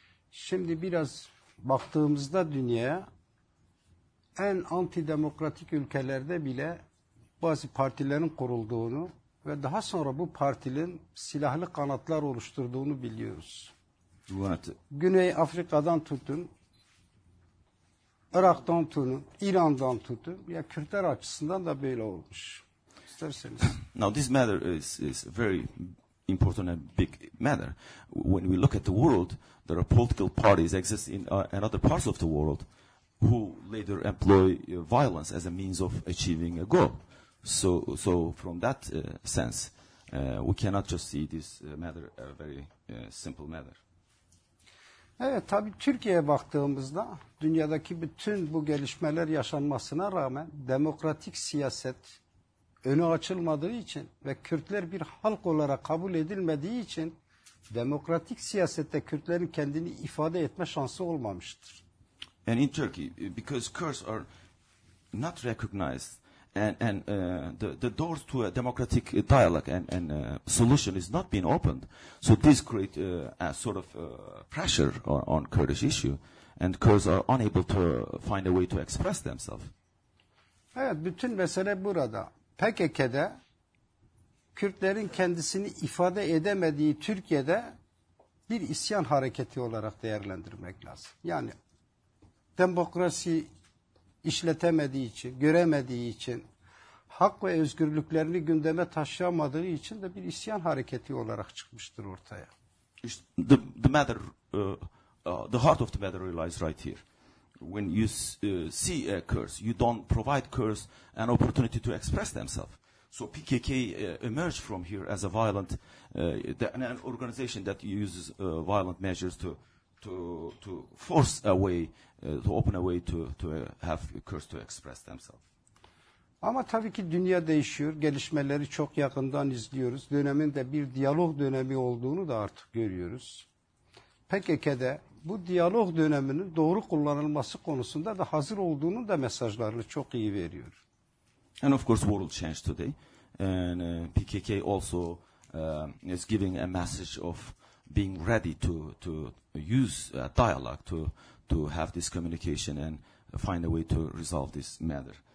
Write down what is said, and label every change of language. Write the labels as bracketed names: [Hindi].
[Turkish] Şimdi biraz baktığımızda dünyaya, en antidemokratik ülkelerde bile bazı partilerin kurulduğunu ve daha sonra bu partilerin silahlı kanatlar oluşturduğunu biliyoruz. [English] What? [Turkish] Güney Afrika'dan tutun, Irak'tan tutun, İran'dan tutun, ya Kürtler açısından da böyle olmuş. İsterseniz. [English] Now this matter is very important and big matter. When we look at the world, there are political parties exist in other parts of the world who later employ violence as a means of achieving a goal. So from that sense, we cannot just see this matter a very simple matter. [Turkish] Evet, tabii Türkiye'ye baktığımızda dünyadaki bütün bu gelişmeler yaşanmasına rağmen demokratik siyaset önü açılmadığı için ve Kürtler bir halk olarak kabul edilmediği için demokratik siyasette Kürtlerin kendini ifade etme şansı olmamıştır. [English] And in Turkey, because Kurds are not recognized and the doors to a democratic dialogue and solution is not being opened, so this create a sort of pressure on Kurdish issue, and Kurds are unable to find a way to express themselves. [Turkish] Evet, bütün mesele burada. PKK'de Kürtlerin kendisini ifade edemediği Türkiye'de bir isyan hareketi olarak değerlendirmek lazım. Yani demokrasi işletemediği için, göremediği için, hak ve özgürlüklerini gündeme taşıyamadığı için de bir isyan hareketi olarak çıkmıştır ortaya. [English] The matter, the heart of the matter lies right here. When you see a Kurds, you don't provide Kurds an opportunity to express themselves. So PKK emerged from here as a violent an organization that uses violent measures to force a way, to open a way to have Kurds to express themselves. [Turkish] Ama tabii ki dünya değişiyor. Gelişmeleri çok yakından izliyoruz. Dönemin de bir diyalog dönemi olduğunu da artık görüyoruz. PKK'de bu diyalog döneminin doğru kullanılması konusunda da hazır olduğunu da mesajlarını çok iyi veriyor. [English] And of course world changed today. And PKK also is giving a message of being ready to use a dialogue to have this communication and find a way to resolve this matter.